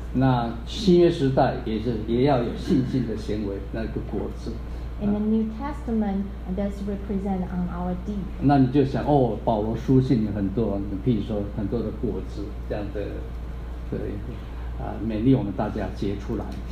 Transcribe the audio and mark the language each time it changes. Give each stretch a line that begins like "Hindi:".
Chinese: 那新约时代也要有信心的行为，那个果子。
English: In the New Testament, that's represent on our deed.
Chinese: 那你就想哦，保罗书信有很多，譬如说很多的果子这样的，对，勉励我们大家结出来。